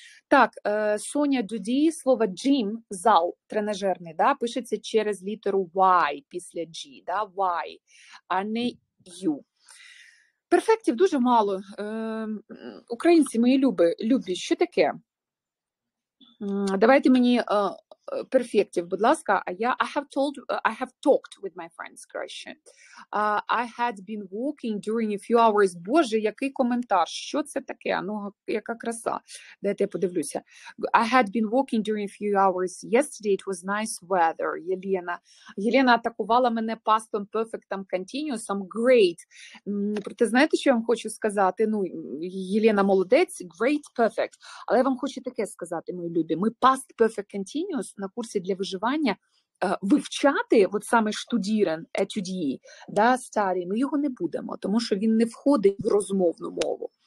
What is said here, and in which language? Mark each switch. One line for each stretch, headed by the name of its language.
Ukrainian: Так, Соня Дуді, слово gym, зал тренажерний, да, пишеться через літеру Y після G, да, Y, а не U. Перфектів дуже мало. Українці, мої любі, що таке? Давайте мені перфектів, будь ласка.
English: I have talked with my friends,
Ukrainian: краще.
English: I had been walking during a few hours.
Ukrainian: Боже, який коментар, що це таке? Ну, яка краса. Дайте я подивлюся.
English: I had been walking during a few hours. Yesterday it was nice weather, Єлена.
Ukrainian: Єлена атакувала мене пастом, перфектом, континуусом.
English: Great.
Ukrainian: Проте знаєте, що я вам хочу сказати? Ну, Єлена молодець,
English: great, perfect.
Ukrainian: Але я вам хочу таке сказати, мої любі. Ми past perfect continuous на курсі для виживання вивчати, от саме штудірен, етюдії, да, старі, ми його не будемо, тому що він не входить в розмовну мову.